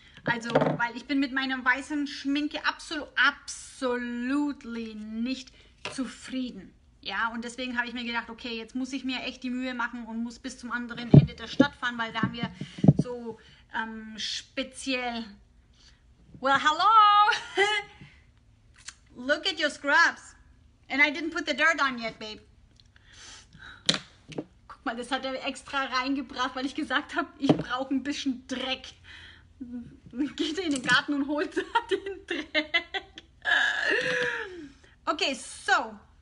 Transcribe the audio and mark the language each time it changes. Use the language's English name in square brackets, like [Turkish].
[German] Also, weil ich bin mit meinem weißen Schminke absolut nicht zufrieden. Ja, und deswegen habe ich mir gedacht, okay, jetzt muss ich mir echt die Mühe machen und muss bis zum anderen Ende der Stadt fahren, weil da haben wir so speziell... [English] Well, hello! Look at your scrubs. And I didn't put the dirt on yet, babe. Guck [German] Mann, das hat er extra reingebracht, weil ich gesagt habe, ich brauche ein bisschen Dreck. Geht in den Garten und holt den Dreck. [English] Okay, so.